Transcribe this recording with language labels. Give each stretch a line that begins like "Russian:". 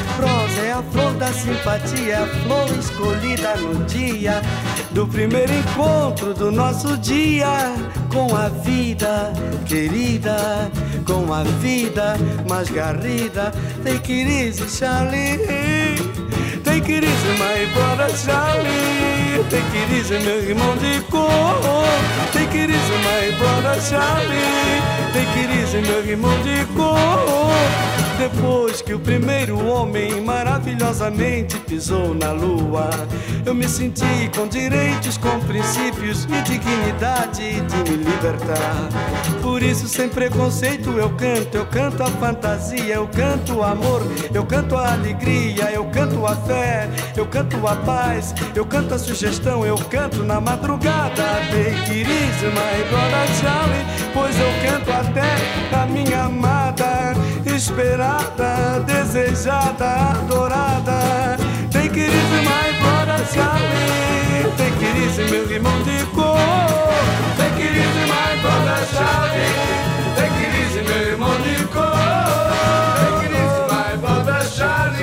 Portuguese: Rosa é a flor da simpatia, a flor escolhida no dia do primeiro encontro do nosso dia com a vida querida, com a vida mais garrida.
English: Take it easy, Charlie. Take it easy, my brother Charlie. Take it easy,
Portuguese: meu irmão de cor.
English: Take it easy, my brother Charlie. Take it easy,
Portuguese: meu irmão de cor. Depois que o primeiro homem maravilhosamente pisou na lua, eu me senti com direitos, com princípios e dignidade de me libertar. Por isso, sem preconceito, eu canto a fantasia, eu canto o amor, eu canto a alegria, eu canto a fé, eu canto a paz, eu canto a sugestão, eu canto na madrugada.
English: Take it easy, my brother Charlie,
Portuguese: pois eu canto até a minha amada, esperada, desejada, adorada.
English: Take it easy, my brother Charlie. Take it easy,
Portuguese: meu irmão de cor.
English: Take it easy, my brother Charlie. Take it easy,
Portuguese: meu irmão de cor.
English: Take it easy, my brother Charlie.